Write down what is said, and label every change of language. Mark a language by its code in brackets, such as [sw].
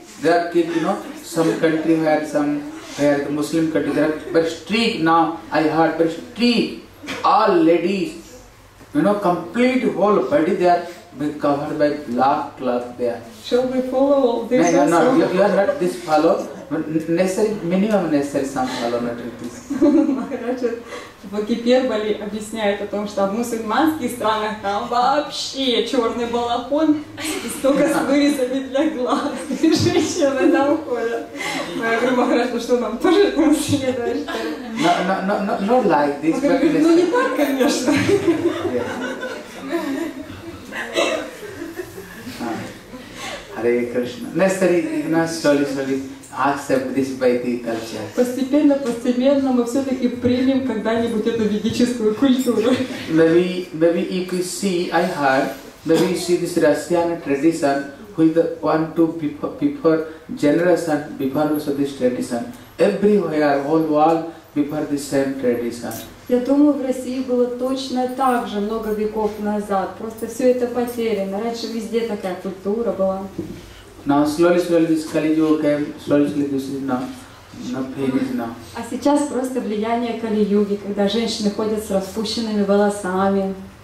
[en] They are keep, you know, some country where the Muslim country, they are very strict now. I heard very strict, all ladies, you know, complete whole body they are being covered by black cloth there. Shall we follow all this? No. You are not this follow. Necessary, minimum necessary some follow, not like this. [ru] Maharaj, в Гипербале объясняет о том, что в мусульманских странах там вообще черный балахон и столько с вырезами для глаз. И женщины там ходят. Я говорю, Maharaj, ну что нам тоже там следует? [en] Not like this. [ru] Ну не так, конечно. [en] Hare Krishna. Necessary, slowly, accept this Vaidic culture. [ru] Постепенно мы все-таки примем когда-нибудь эту ведическую культуру. [en] Maybe you could see, I heard, maybe you see this Russian tradition with one, two before generation, before also this tradition. Everywhere, whole world, before the same tradition. [ru] Я думаю, в России было точно так же много веков назад. Просто все это потеряно. Раньше везде такая культура была. [en] Now slowly this Kali Yuga came, slowly this is now famous now. [ru] А сейчас просто влияние Кали Юги, когда женщины ходят с распущенными волосами.